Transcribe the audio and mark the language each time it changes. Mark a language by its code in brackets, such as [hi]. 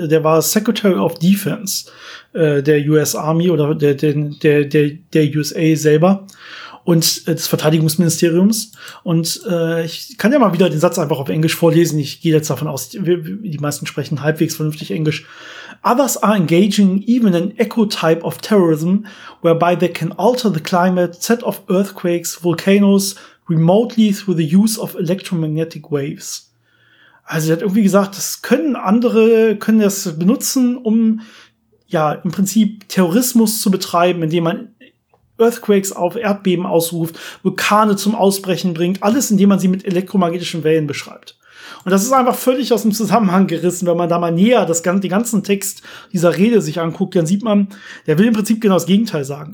[de] Der war Secretary of Defense der US Army oder der USA selber und des Verteidigungsministeriums. Und ich kann ja mal wieder den Satz einfach auf Englisch vorlesen. Ich gehe jetzt davon aus, die meisten sprechen halbwegs vernünftig Englisch. [en] Others are engaging even an echo type of terrorism, whereby they can alter the climate, set off earthquakes, volcanoes, remotely through the use of electromagnetic waves. [de] Also er hat irgendwie gesagt, das können andere, können das benutzen, um ja im Prinzip Terrorismus zu betreiben, indem man Earthquakes auf Erdbeben ausruft, Vulkane zum Ausbrechen bringt, alles, indem man sie mit elektromagnetischen Wellen beschreibt. Und das ist einfach völlig aus dem Zusammenhang gerissen. Wenn man da mal näher das ganze, den ganzen Text dieser Rede sich anguckt, dann sieht man, der will im Prinzip genau das Gegenteil sagen.